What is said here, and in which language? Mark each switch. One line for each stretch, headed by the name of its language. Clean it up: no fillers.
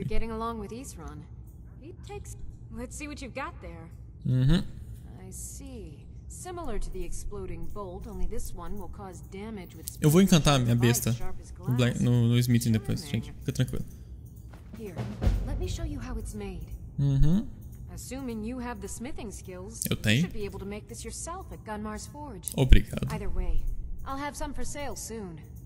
English: You're getting along with Isran. He takes. Let's see what you've got there. Mm-hmm. I see. Similar to the exploding bolt, only this one will cause damage with.
Portuguese: Eu vou encantar a minha besta. No Smithing depois, gente. Fica tranquilo.
English: Here, let me show you how it's made. Mm-hmm. Assuming you have the smithing skills,
Portuguese: eu tenho.
English: You should be able to make this yourself at Gunmar's Forge.
Portuguese: Obrigado.
English: Either way, I'll have some for sale soon.